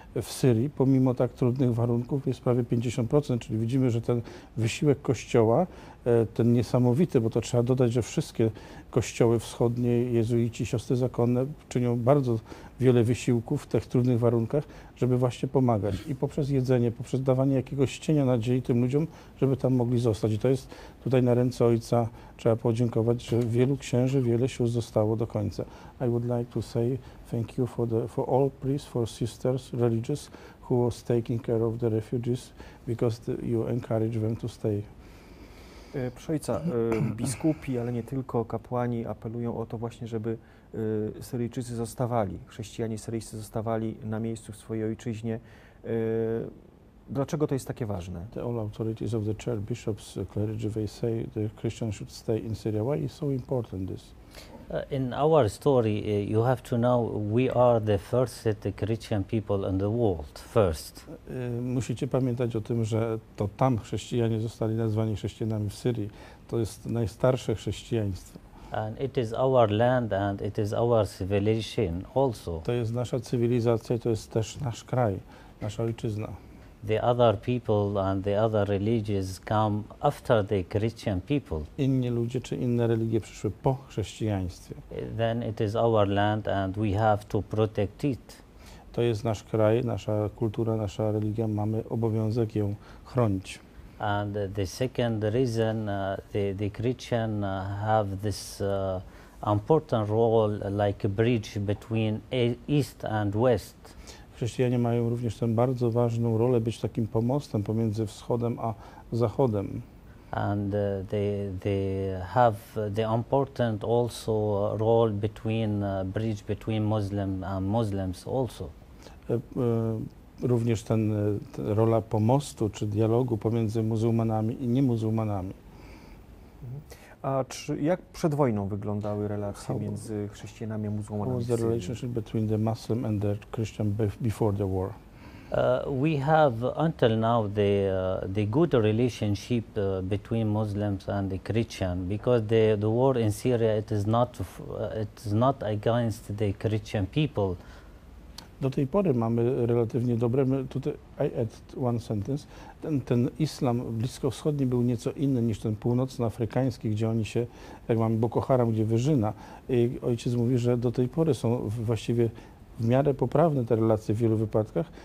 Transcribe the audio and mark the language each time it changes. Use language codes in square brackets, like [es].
[pl] W Syrii, pomimo tak trudnych warunków, jest prawie 50%, czyli widzimy, że ten wysiłek Kościoła, ten niesamowity, bo to trzeba dodać, że wszystkie kościoły wschodnie, jezuici, siostry zakonne czynią bardzo wiele wysiłków w tych trudnych warunkach, żeby właśnie pomagać. I poprzez jedzenie, poprzez dawanie jakiegoś cienia nadziei tym ludziom, żeby tam mogli zostać. I to jest tutaj na ręce Ojca, trzeba podziękować, że wielu księży, wiele sióstr zostało do końca. [en] I would like to say thank you for all priests, for sisters, religious, who was taking care of the refugees, because you encourage them to stay. [pl] Proszę Ojca, biskupi, ale nie tylko kapłani apelują o to właśnie, żeby Syryjczycy zostawali, chrześcijanie syryjscy zostawali na miejscu w swojej ojczyźnie. Dlaczego to jest takie ważne? [en] The all authorities of the church, bishops, clergy, they say the Christians should stay in Syria. Why is so important this? In our story, you have to know we are the first Christian people in the world. First. [pl] Musicie pamiętać o tym, że to tam chrześcijanie zostali nazwani chrześcijanami w Syrii. To jest najstarsze chrześcijaństwo. [en] And it is our land and it is our civilization also. [pl] To jest nasza cywilizacja, to jest też nasz kraj. nasza ojczyzna. [en] The other people and the other religions come after the Christian people. [pl] Inni ludzie czy inne religie przyszły po chrześcijaństwie. [en] Then it is our land and we have to protect it. [pl] To jest nasz kraj, nasza kultura, nasza religia, mamy obowiązek ją chronić. [en] And the second reason the Christian have this important role like a bridge between east and west. [pl] Chrześcijanie mają również tę bardzo ważną rolę, być takim pomostem pomiędzy wschodem a zachodem. [en] And they have the important also role between bridge between Muslim and Muslims also. [pl] Również ten rola pomostu czy dialogu pomiędzy muzułmanami i niemuzułmanami. A czy jak przed wojną wyglądały relacje między chrześcijanami a muzułmanami? [en] How was the relationship between the Muslim and the Christian before the war? We have until now the good relationship between Muslims and the Christian because the war in Syria it is not against the Christian people. [pl] Do tej pory mamy relatywnie dobre, tutaj [en] I add one sentence, [pl] ten islam bliskowschodni był nieco inny niż ten północnoafrykański, gdzie oni się, jak mamy Boko Haram, gdzie wyżyna. I ojciec mówi, że do tej pory są właściwie w miarę poprawne te relacje w wielu wypadkach.